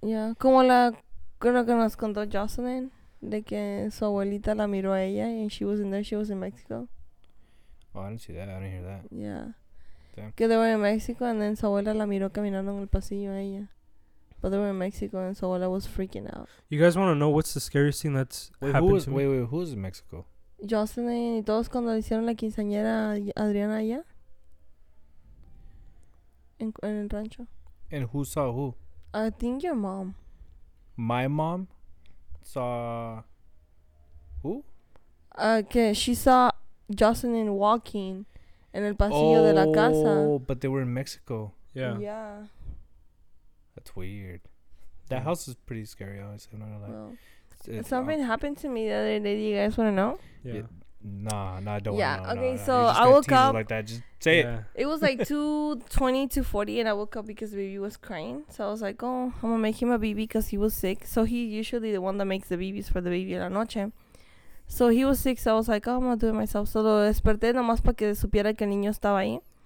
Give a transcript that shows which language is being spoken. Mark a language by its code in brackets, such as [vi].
[es] Yeah. Como la creo que nos contó Jocelyn, de que su abuelita la miró a ella, [en] and she was in there, she was in Mexico. Oh, I didn't see that. I didn't hear that. Yeah. Damn. [es] Que [en] they were in Mexico, and then [es] su abuela la miró caminando en el pasillo a ella. [en] But they were in Mexico, and so I was freaking out. You guys want to know what's the scariest thing that's happened to me? Wait, who is in Mexico? [es] Jocelyn y todos cuando hicieron la quinceañera Adriana allá. En el rancho. [en] And who saw who? I think your mom. My mom saw who? Okay, she saw Jocelyn walking [es] en el pasillo de la casa. [en] Oh, but they were in Mexico. Yeah. Yeah. That's weird. That house is pretty scary, honestly. I'm not gonna lie. Well, something happened to me the other day. Do you guys want to know? Yeah. Nah, I don't want to know. Yeah, okay, so I woke up. Like that. Just say it. It was like 2:20, 2:40, and I woke up because the baby was crying. So I was like, oh, I'm going to make him a BB because he was sick. So he usually the one that makes the BBs for the baby [es] la noche. [en] So he was sick, so I was like, oh, I'm going to do it myself. [es] So lo desperté nomás para que supiera que el niño estaba ahí.